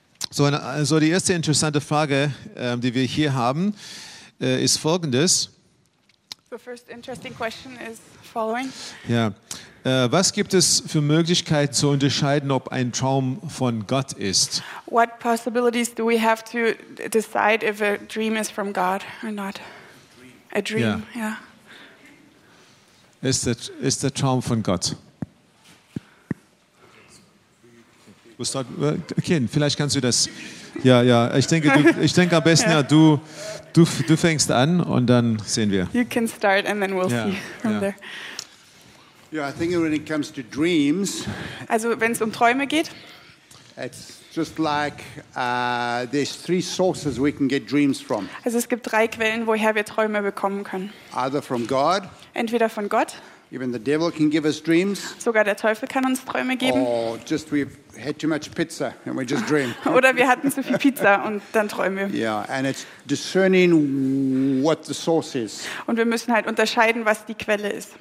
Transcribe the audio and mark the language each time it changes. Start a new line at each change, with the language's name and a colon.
German: So die erste interessante Frage, die wir hier haben, ist folgendes.
English: The first interesting question is following.
German: Ja. Was gibt es für Möglichkeiten zu unterscheiden, ob ein Traum von Gott ist?
English: What possibilities do we have to decide if a dream is from God or not? A dream, yeah. Yeah.
German: Ist der Traum von Gott? Kind, vielleicht kannst du das. Ja, ja. Ich denke am besten, yeah. Ja, du fängst an und dann sehen wir.
English: You can start and then we'll see from there. Yeah, I think when it comes to dreams.
German: Also, wenn es um Träume geht.
English: It's just like there's three sources we can get dreams from.
German: Also, es gibt drei Quellen, woher wir Träume bekommen können.
English: Either from God.
German: Entweder von Gott.
English: Even the devil can give us dreams.
German: Sogar der Teufel kann uns Träume geben.
English: Or just we've had too much pizza and we just dream.
German: Oder wir hatten zu viel Pizza und dann träumen wir.
English: Yeah, and it's discerning what the source is.
German: Und wir müssen halt unterscheiden, was die Quelle ist.